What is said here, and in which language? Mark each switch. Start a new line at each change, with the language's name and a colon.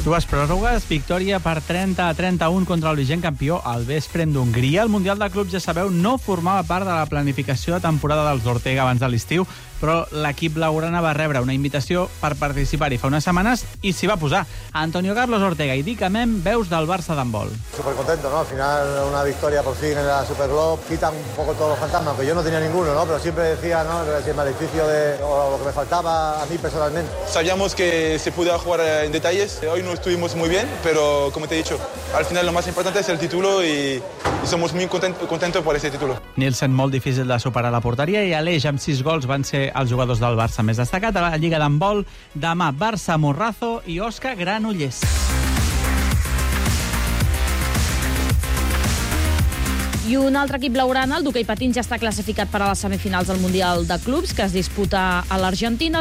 Catalan: Dues pròrrogues, victòria per 30-31 contra el vigent campió, el Veszprém d'Hongria. El Mundial de Clubs, ja sabeu, no formava part de la planificació de temporada dels Ortega abans de l'estiu, però l'equip blaugrana va rebre una invitació per participar-hi fa unes setmanes i s'hi va posar. Antonio Carlos Ortega i Dick Amem, veus del Barça d'handbol.
Spanish: Supercontento, ¿no? Al final
Catalan: una victòria
Spanish: por fin en la Superglobe, quita un poco todos los fantasmas, que yo no tenía ninguno, ¿no? Pero siempre decía, ¿no?, el maleficio de lo que me faltaba a mí personalmente. Sabíamos que se podía jugar en detalles, hoy no estuvimos muy bien, pero como te he dicho, al final lo más importante es el título y somos muy contentos por ese título.
Catalan: Nielsen, molt difícil de superar la porteria, i Aleix, amb 6 gols, van ser els jugadors del Barça més destacat a la Lliga d'handbol. Demà, Barça Morrazo i Òscar Granollers. I un altre equip blaugrana, el d'hoquei patins, ja està classificat per a les semifinals del Mundial de Clubs, que es disputa a l'Argentina.